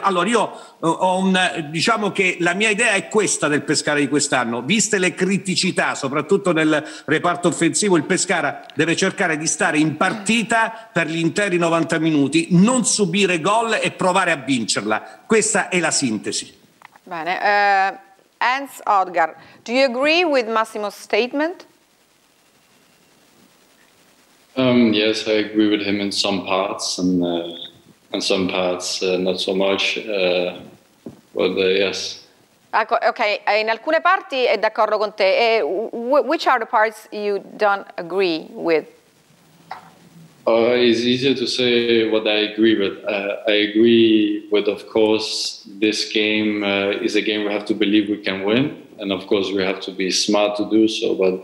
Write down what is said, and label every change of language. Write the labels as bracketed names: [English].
[Italian] Allora io la mia idea è questa del Pescara di quest'anno, viste le criticità soprattutto nel reparto offensivo, il Pescara deve cercare di stare in partita per gli interi 90 minuti, non subire gol e provare a vincerla. Questa è la sintesi. [English] Bene, Hans Odgar, do you agree with Massimo's statement? Yes, I agree with him in some parts and some parts not so much. Yes. [Italian] Ok, in alcune parti è d'accordo con te. [English] Which are the parts you don't agree with? It's easier to say what I agree with. I agree with, of course, this game is a game we have to believe we can win, and of course we have to be smart to do so.